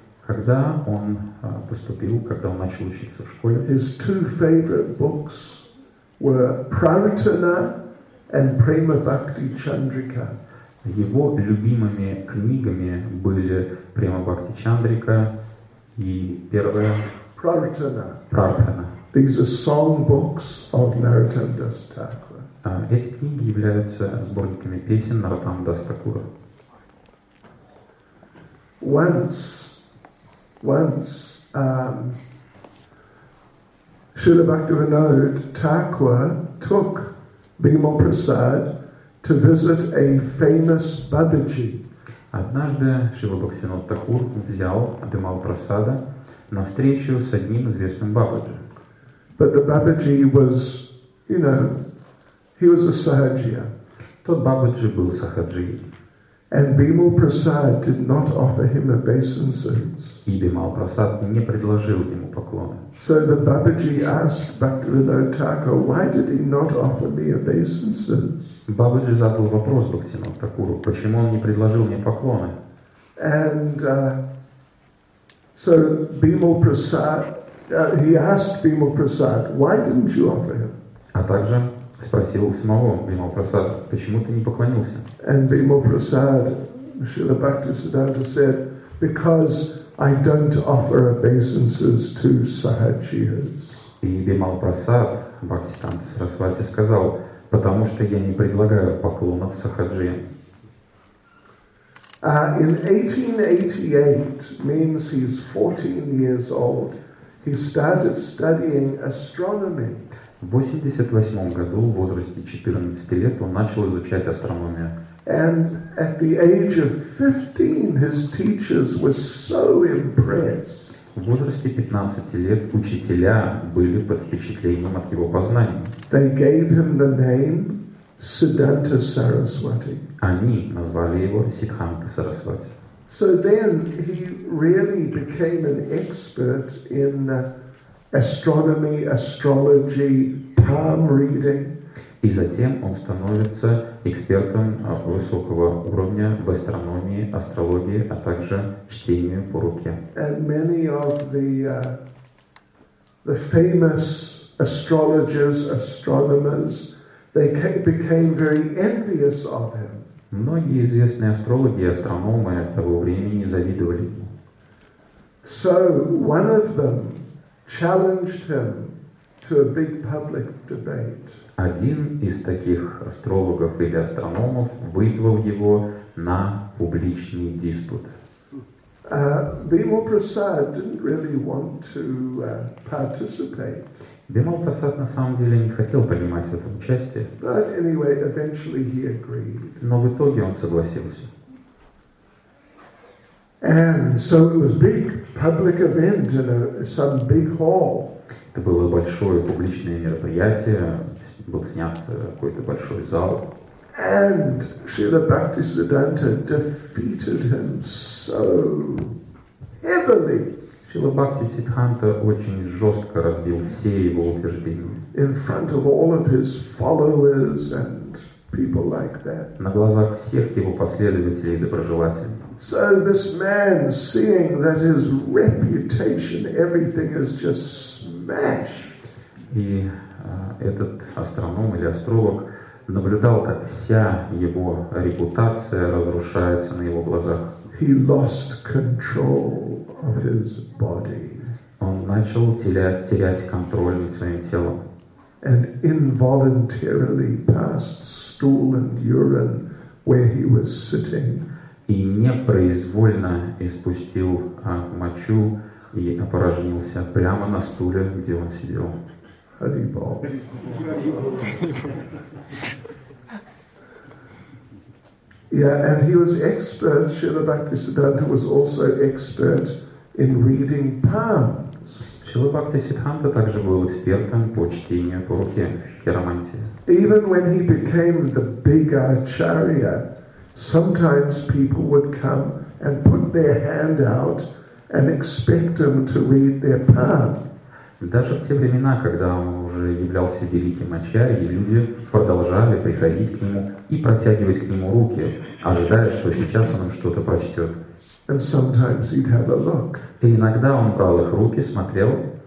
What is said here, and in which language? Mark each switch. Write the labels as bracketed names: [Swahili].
[Russian] когда он поступил, когда он начал учиться в школе, [English] his two favorite books were Pravartana and Prema Bhakti Chandrika. [Russian] Его любимыми книгами были Prema Bhakti Chandrika и первая Pravartana. [English] These are song books of Narottam Das Thakura. [Russian] Эти книги являются сборниками песен Narottam Das Thakura. [English] Once, Śrīla Bhaktivinoda Thakura took Bhimal Prasad to visit a famous Babaji. [Russian] Однажды Шрила Бхактивинод Такур взял Бимал Прасада на встречу с одним известным Бабаджи. [English] But the Babaji was, you know, he was a Sahajiya. [Russian] Тот Бабаджи был Сахаджией. [English] And Bimal Prasad did not offer him obeisances. [Russian] И Бимал Прасад не предложил ему поклона. [English] So the Babaji asked Bhaktivinoda Thakura, why did he not offer me obeisances? [Russian] Бабаджи задал вопрос Бхактивинод Такуру, почему он не предложил мне поклоны? [English] And so Bimal Prasad, he asked Bimal Prasad, why didn't you offer him? [Russian] А также спросил у самого Бимал Прасада, почему ты не поклонился? [English] And Bimal Prasad, Śrīla Bhaktisiddhanta said, because I don't offer obeisances to Sahajiyas. [Russian] И Бимал Прасад, Бхактисиддханта Сарасвати, сказал, потому что я не предлагаю поклонов Сахаджиям. [English] In 1888, means he's 14 years old, he started studying astronomy. [Russian] В 88 году, в возрасте 14 лет, он начал изучать астрономию. [English] And at the age of 15, his teachers were so impressed. [Russian] В возрасте 15 лет учителя были под впечатлением от его познаний. [English] They gave him the name Siddhanta Saraswati. [Russian] Они назвали его Сиддханта Сарасвати. [English] So then he really became an expert in astronomy, astrology, palm reading. [Russian] И затем он становится экспертом высокого уровня в астрономии, астрологии, а также чтению по руке. [English] And many of the famous astrologers, astronomers, they became very envious of him. [Russian] Многие известные астрологи и астрономы того времени завидовали ему. [English] So one of them challenged him to a big public debate. [Russian] Один из таких астрологов или астрономов вызвал его на публичный диспут. [English] Bimal Prasad didn't really want to participate. [Russian] Бимал Прасад на самом деле не хотел принимать в этом участие. [English] But anyway, eventually he agreed. [Russian] Но в итоге он согласился. [English] And so it was big public event in some big hall. [Russian] Это было большое публичное мероприятие. Был снят какой-то большой зал. [English] And Śrīla Bhaktisiddhanta defeated him so heavily. [Russian] Śrīla Bhaktisiddhanta очень жестко разбил все его утверждения. [English] In front of all of his followers and people like that. [Russian] На глазах всех его последователей и доброжелателей. [English] So this man, seeing that his reputation, everything is just smashed. [Russian] И этот астроном или астролог наблюдал, как вся его репутация разрушается на его глазах. [English] He lost control of his body. [Russian] Он начал терять контроль над своим телом. [English] And involuntarily passed stool and urine where he was sitting. [Russian] И непроизвольно испустил мочу и опорожнился прямо на стуле, где он сидел. [English] Yeah, and he was expert. Śrīla Bhaktisiddhanta was also expert in reading palms. [Russian] Śrīla Bhaktisiddhanta также был экспертом по чтению по руке, хиромантии. [English] Even when he became the big acharya, sometimes people would come and put their hand out and expect him to read their palm. [Russian] Даже в те времена, когда он уже являлся великим ачарьей, люди продолжали приходить к нему и протягивать к нему руки, ожидая, что сейчас он им что-то прочтет. [English] And sometimes he'd have a look. [Russian] И иногда он брал их руки, смотрел.